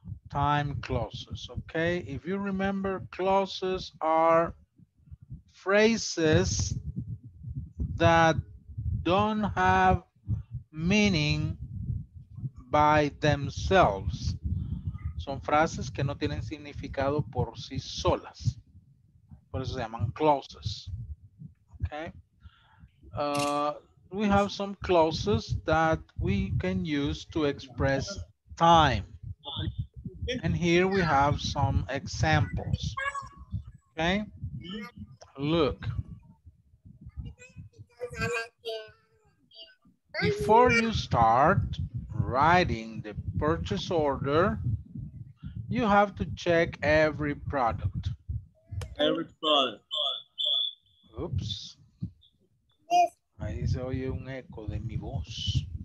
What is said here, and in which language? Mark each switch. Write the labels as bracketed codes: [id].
[en] Time clauses, okay? If you remember, clauses are phrases that don't have meaning by themselves. [es] Son frases que no tienen significado por sí solas. Por eso se llaman [en] clauses. Okay. We have some clauses that we can use to express time. And here we have some examples. Okay. Look. Before you start writing the purchase order, you have to check every product. Every product. Oops. [es] Ahí se oye un eco de mi voz.